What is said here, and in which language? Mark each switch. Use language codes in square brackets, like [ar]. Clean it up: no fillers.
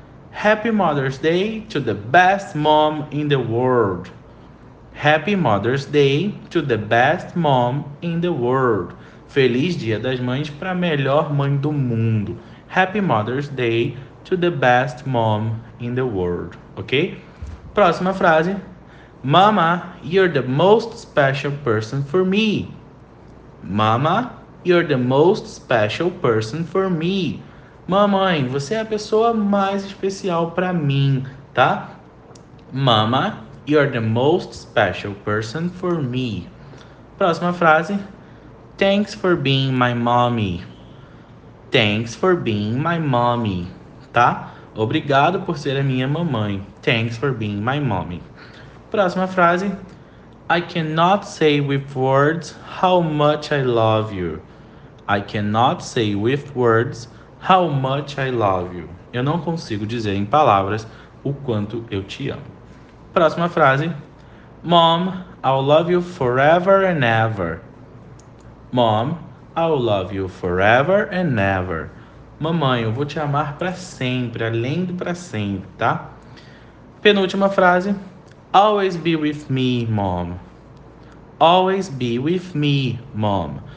[en] Happy Mother's Day to the best mom in the world. Happy Mother's Day to the best mom in the world. [pt] Feliz Dia das Mães para a melhor mãe do mundo. [en] Happy Mother's Day to the best mom in the world, ok? [pt] Próxima frase. [en] Mama, you're the most special person for me. Mama, you're the most special person for me. [pt] Mamãe, você é a pessoa mais especial para mim, tá? [en] Mama, you're the most special person for me. [pt] Próxima frase. [en] Thanks for being my mommy. Thanks for being my mommy. [pt] Tá? Obrigado por ser a minha mamãe. [en] Thanks for being my mommy. [pt] Próxima frase. [en] I cannot say with words how much I love you. I cannot say with words how much I love you. [pt] Eu não consigo dizer em palavras o quanto eu te amo. Próxima frase. [en] Mom, I'll love you forever and ever. Mom, I'll love you forever and ever. [pt] Mamãe, eu vou te amar para sempre, além do para sempre, tá? Penúltima frase. [en] Always be with me, mom. Always be with me, mom.